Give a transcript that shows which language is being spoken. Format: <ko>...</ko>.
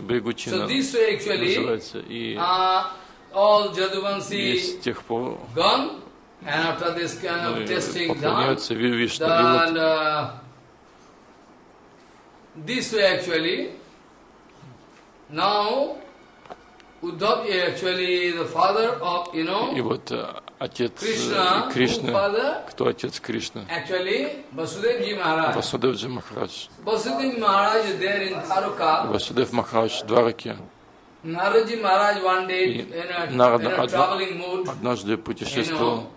<ru>Бригу Чина называется. И с тех пор мы поклоняемся Вишну. И вот</ru> <en>Uddhav is actually the father of, you know,</en> <ru>и вот отец Кришна, кто отец Кришна?</ru> <en>Actually, Vasudevji Maharaj. Vasudevji Maharaj. Vasudevji Maharaj is there in Dwarka.</en> <ru>Vasudev Maharaj в Двараке.</ru> <en>Naradji Maharaj one day, traveling mood,</en> <ru>однажды путешествовал,</ru>